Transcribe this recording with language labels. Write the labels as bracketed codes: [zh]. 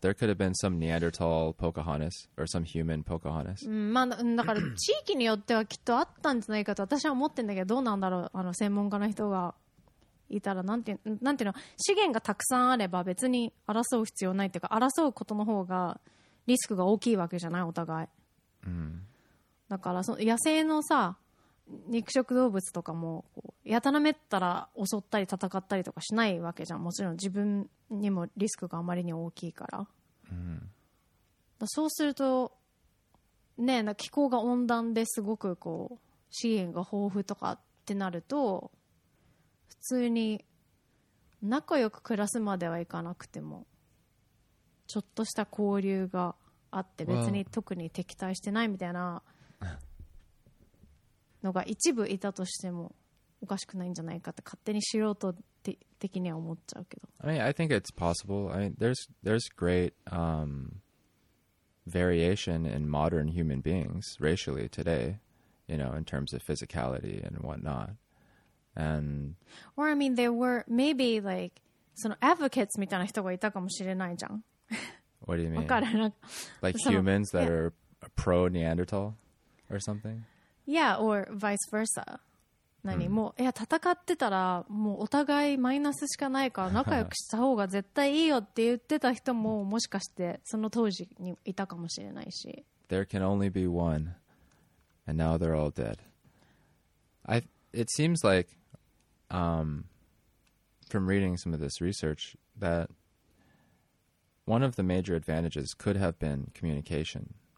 [en] There could have been some Neanderthal Pocahontas or some human Pocahontas. [ja] だから地域によってはきっとあったんじゃないかと私は思ってんだけど、どうなんだろう、あの専門家の人がいたら、なんていうの、資源がたくさんあれば別に争う必要ないっていうか、争うことの方がリスクが大きいわけじゃない、お互い。だからその野生のさ、肉食動物とかもこうやたらめったら襲ったり戦ったりとかしないわけじゃん。もちろん自分にもリスクがあまりに大きいから。そうするとね、な気候が温暖ですごくこう資源が豊富とかってなると、普通に仲良く暮らすまではいかなくても、ちょっとした交流があって別に特に敵対してないみたいな。のが一部いたとしてもおかしくないんじゃないかって勝手に素人的には思っちゃうけど。 [en] I mean, I think it's possible. I mean, there's great variation in modern human beings racially today, you know, in terms of physicality and whatnot. And or I mean, there were maybe like [ja] その advocates みたいな人がいたかもしれないじゃん。 [en] What do you mean? [ja] わかる。 [en] Like humans that are pro Neanderthal or something? Yeah, or vice versa. [ja] 何もいや戦ってたらもうお互いマイナスしかないから仲良くした方が絶対いいよって言ってた人ももしかしてその当時にいたかもしれないし。 [en] There can only be one, and now they're all dead. It seems like, from reading some of this research, that one of the major advantages could have been communication.